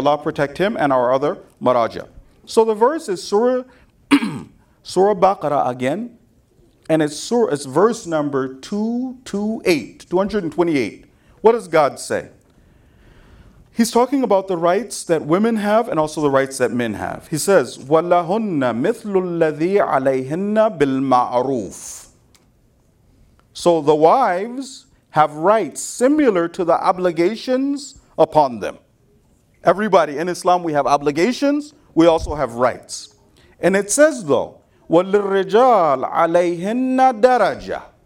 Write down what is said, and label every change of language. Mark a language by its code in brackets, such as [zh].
[en] Allah protect him and our other Maraja. So the verse is Surah Baqarah again. And it's verse number 228. What does God say? He's talking about the rights that women have and also the rights that men have. He says, [ar] وَلَهُنَّ مِثْلُ الَّذِي عَلَيْهِنَّ بِالْمَعْرُوفِ. [en] So the wives have rights similar to the obligations upon them. Everybody in Islam, we have obligations, we also have rights. And it says though, [ar] وَلِلْرِجَالِ عَلَيْهِنَّ دَرَجَةً.